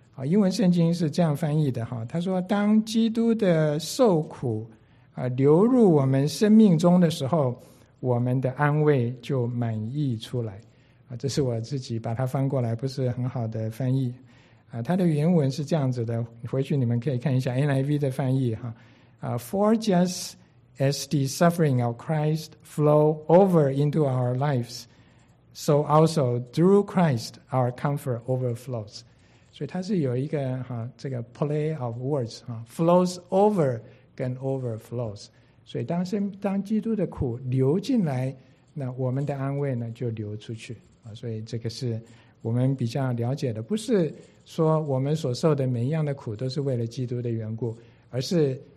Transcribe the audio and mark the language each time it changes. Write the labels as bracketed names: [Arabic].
[Chinese] 英文圣经是这样翻译的，他说，当基督的受苦流入我们生命中的时候，我们的安慰就满溢出来。这是我自己把它翻过来，不是很好的翻译。它的原文是这样子的，回去你们可以看一下 NIV 的翻译。 [English] For just as the suffering of Christ flow over into our lives, so also through Christ our comfort overflows. [Chinese] 所以它是有一个这个 [English] play of words, flows over [Chinese] 跟 overflows, 所以 当基督的苦流进来，那我们的安慰呢就流出去。所以这个是我们比较了解的，不是说我们所受的每一样的苦都是为了基督的缘故，而是